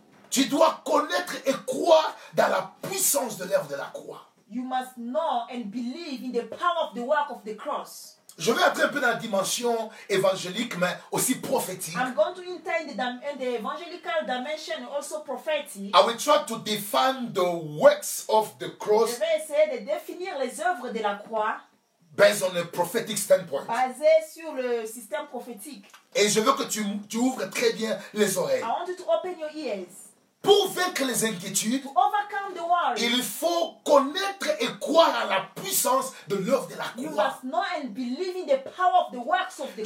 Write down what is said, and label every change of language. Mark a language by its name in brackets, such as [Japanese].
[French] tu dois connaître et croire dans la puissance de l'œuvre de la croix. [English] You must know and believe in the power of the work of the cross. [French] Je vais entrer un peu dans la dimension évangélique, mais aussi prophétique. [English] I'm going to enter in the evangelical dimension, also prophetic. I will try to define the works of the cross. [French] Je vais essayer de définir les œuvres de la croix. [English] Based on a prophetic standpoint. [French] Basé sur le système prophétique. Et je veux que tu ouvres très bien les oreilles. [English] I want you to open your ears. [French] Pour vaincre les inquiétudes, [English] to overcome the worries, [French] il faut connaître et croire à la puissance de l'œuvre de la croix. [English] You must know and believe in the power of the works of the cross.